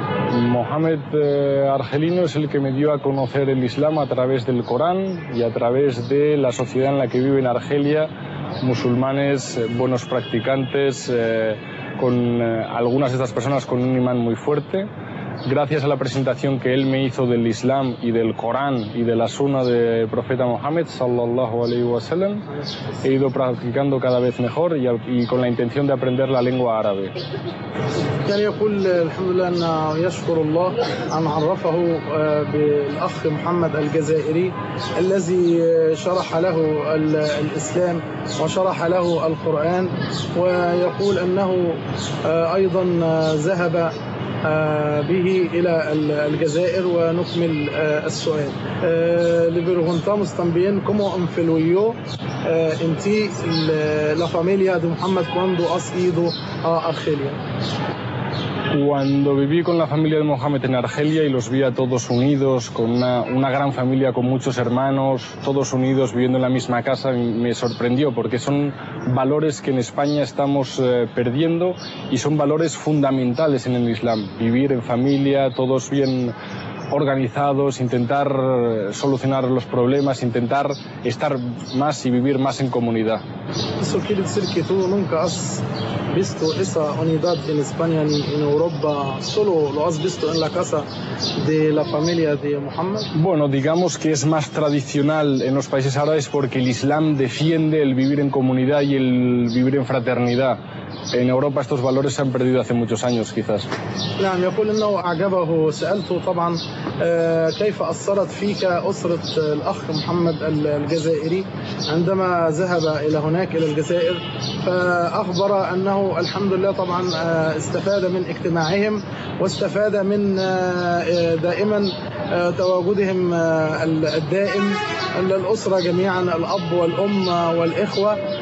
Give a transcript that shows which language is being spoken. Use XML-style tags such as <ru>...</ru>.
<es>Mohamed Argelino es el que me dio a conocer el Islam a través del Corán y a través de la sociedad en la que vive en Argelia, musulmanes, buenos practicantes, con algunas de estas personas con un imán muy fuerte. Gracias a la presentación que él me hizo del Islam y del Corán y de la Sunna del profeta Mohammed,</es> <ar>sallallahu alayhi wa sallam,</ar> <es>he ido practicando cada vez mejor y con la intención de aprender la lengua árabe.</es> <ar>كان يقول الحمد لله أن يشكر الله أن عرفه بالأخ محمد الجزائري الذي شرح له الإسلام وشرح له القرآن ويقول أنه أيضا ذهب به إلى الجزائر ونكمل السؤال.</ar> <es>Le preguntamos también cómo influyó en ti la familia de Muhammad cuando has ido a Argelia. Cuando viví con la familia de Mohammed en Argelia y los vi a todos unidos, con una gran familia, con muchos hermanos, todos unidos, viviendo en la misma casa, me sorprendió, porque son valores que en España estamos perdiendo y son valores fundamentales en el Islam. Vivir en familia, todos bien organizados, intentar solucionar los problemas, intentar estar más y vivir más en comunidad. Eso quiere decir que tú nunca has visto esa unidad en España ni en Europa, solo lo has visto en la casa de la familia de Muhammad. Bueno, digamos que es más tradicional en los países árabes porque el Islam defiende el vivir en comunidad y el vivir en fraternidad. En Europa estos valores se han perdido hace muchos años, quizás.</es> <ar>نعم يقول إنه أعجبه سألته طبعا كيف أثرت فيك أسرة الأخ محمد الجزائري عندما ذهب إلى هناك إلى الجزائر فأخبر أنه الحمد لله طبعا استفاد من اجتماعهم واستفاد من دائما تواجدهم الدائم للأسرة جميعا الأب والأم والإخوة</ar>